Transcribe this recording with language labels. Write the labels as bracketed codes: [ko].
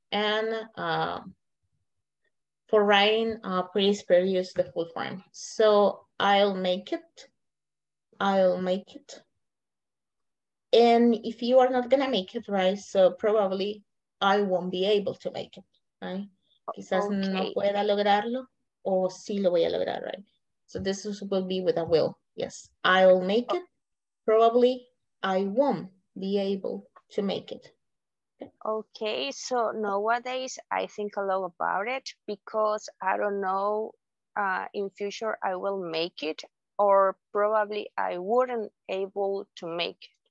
[en] And for writing, please produce the full form. So I'll make it, I'll make it. And if you are not gonna make it, right? So probably I won't be able to make it, right? Quizás okay. [es] No pueda lograrlo, o sí lo voy a lograr, right? [en] So this is, will be with a will, yes. I'll make it, probably I won't be able to make it. Okay, so nowadays I think a lot about it because I don't know in future I will make it or probably I wouldn't able to make it.